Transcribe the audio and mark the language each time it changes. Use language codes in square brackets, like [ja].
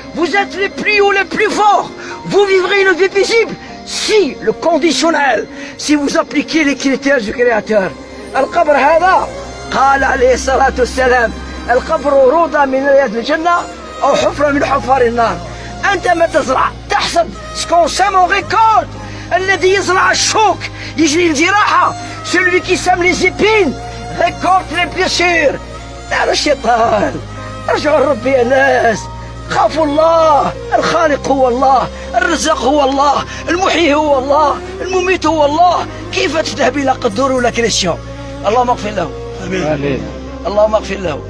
[fr] Vous êtes les plus ou les plus forts. Vous vivrez une vie paisible si le conditionnel, si vous appliquez les critères du Créateur. [ar] القبر هذا، قال عليه الصلاة والسلام: القبر روضة من رياض الجنة أو حفرة من حفار النار. أنت ما تزرع تحصد. [fr] سكون سامو ريكولت. [ar] الذي يزرع الشوك يجني الجراحة. [fr] celui qui sème les épines récolte les blessures. [ar] يا الشيطان، ارجعوا لربي يا ناس. خافوا الله. الخالق هو الله، الرزاق هو الله، المحيي هو الله، المميت هو الله. كيف تذهب الى قدور ولا [fr] كريستيان؟ [ar] اللهم اغفر له. امين. اللهم اغفر له.